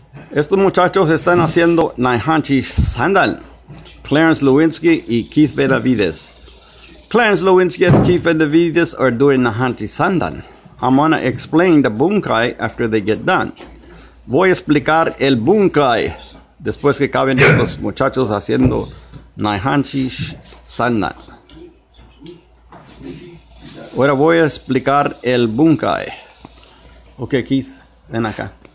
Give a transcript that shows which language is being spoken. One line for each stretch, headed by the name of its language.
Spanish: Estos muchachos están haciendo Naihanchi San Dan, Clarence Lewinsky y Keith Benavides.
English: Clarence Lewinsky and Keith Benavides are doing Naihanchi San Dan. I'm gonna explain the bunkai after they get done.
Spanish: Voy a explicar el bunkai después que acaben estos muchachos haciendo Naihanchi San Dan. Ahora voy a explicar el bunkai. Ok, Keith, ven acá.